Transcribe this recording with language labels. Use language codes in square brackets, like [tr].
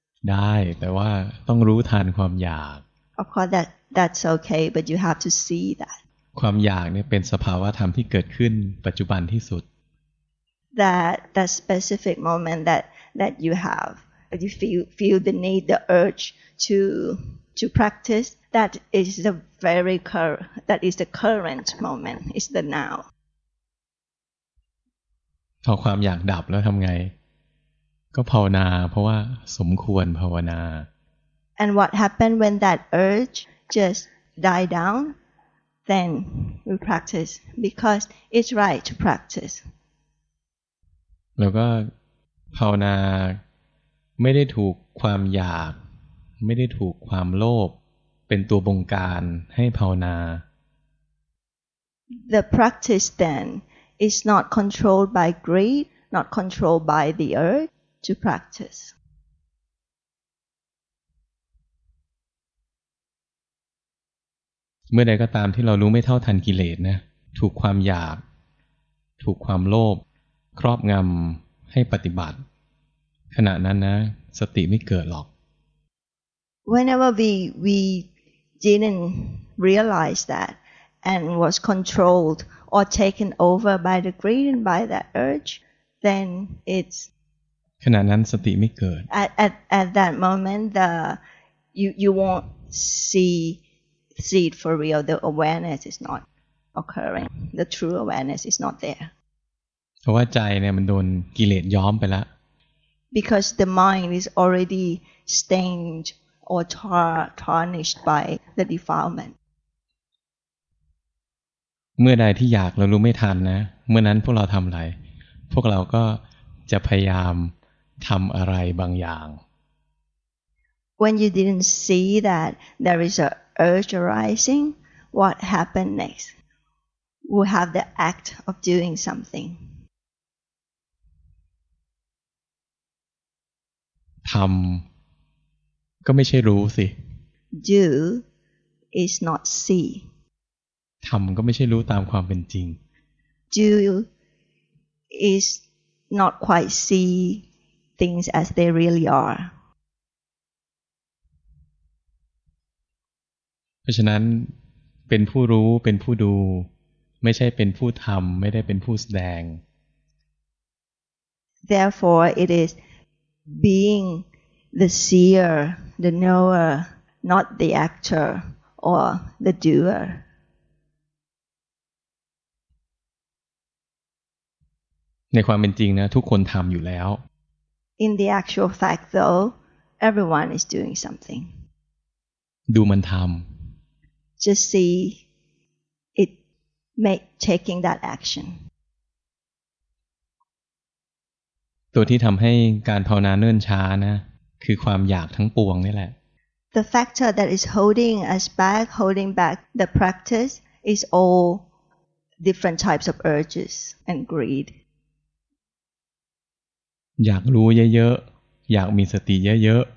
[th] ได้แต่ว่าต้องรู้ทันความอยาก [en] Of course that's okay, but you have to see that. [th] ความอยากเนี่ยเป็นสภาวะธรรมที่เกิดขึ้นปัจจุบันที่สุด [en] That specific moment that you have, that you feel the need, the urge to practice that is the current moment is the now [th] พอความอยากดับแล้วทำไงก็ภาวนาเพราะว่าสมควรภาวนา [en] And what happened when that urge just died down? Then we practice because it's right to practice. [th] แล้วก็ภาวนาไม่ได้ถูกความอยากไม่ได้ถูกความโลภเป็นตัวบงการให้ภาวนา [en] The practice then is not controlled by greed, not controlled by the urge. To practice. [th] เมื่อใดก็ตามที่เรารู้ไม่เท่าทันกิเลสนะถูกความอยากถูกความโลภครอบงำให้ปฏิบัติขณะนั้นนะสติไม่เกิดหรอก [en] Whenever we didn't realize that and was controlled or taken over by the greed and by that urge, then it's [th] ขณะนั้นสติไม่เกิด [en] at that moment the you won't see it for real the awareness is not occurring the true awareness is not there [th] เพราะว่าใจเนี่ยมันโดนกิเลสย้อมไปแล้ว [en] because the mind is already stained or tarnished by the defilement [th] เมื่อใดที่อยากเรารู้ไม่ทันนะเมื่อนั้นพวกเราทำอะไรพวกเราก็จะพยายามทำอะไรบางอย่าง [en] When you didn't see that there is a urge arising what happened next we have the act of doing something [th] ทำก็ไม่ใช่รู้สิ [en] Do is not see [th] ทำก็ไม่ใช่รู้ตามความเป็นจริง [en] Do is not quite seeThings as they really are. [th] เพราะฉะนั้นเป็นผู้รู้เป็นผู้ดูไม่ใช่เป็นผู้ทำไม่ได้เป็นผู้แสดง [en] Therefore, it is being the seer, the knower, not the actor or the doer. [th] ในความเป็นจริงนะทุกคนทำอยู่แล้ว [en] In the actual fact, though, everyone is doing something. [th] ดูมันทำ [en] Just see it make taking that action. [th] ตัวที่ทำให้การภาวนาเนิ่นช้านะคือความอยากทั้งปวงนี่แหละ [en] The factor that is holding us back, holding back the practice, is all different types of urges and greed. [th] อยากรู้เยอะๆอยากมีสติเยอะ